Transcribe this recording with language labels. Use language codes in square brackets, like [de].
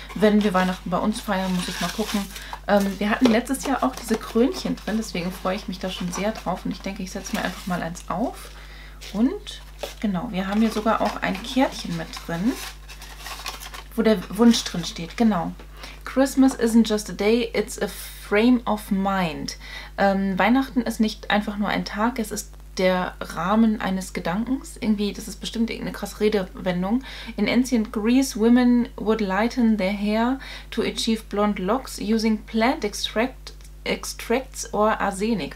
[de] Wenn wir Weihnachten bei uns feiern, muss ich mal gucken. Wir hatten letztes Jahr auch diese Krönchen drin, deswegen freue ich mich da schon sehr drauf. Und ich denke, ich setze mir einfach mal eins auf. Und genau, wir haben hier sogar auch ein Kärtchen mit drin, wo der Wunsch drin steht. Genau. [en] Christmas isn't just a day, it's a frame of mind. [de] Weihnachten ist nicht einfach nur ein Tag, es ist der Rahmen eines Gedankens. Irgendwie, das ist bestimmt eine krasse Redewendung. [en] In ancient Greece, women would lighten their hair to achieve blonde locks using plant extracts or Arsenic.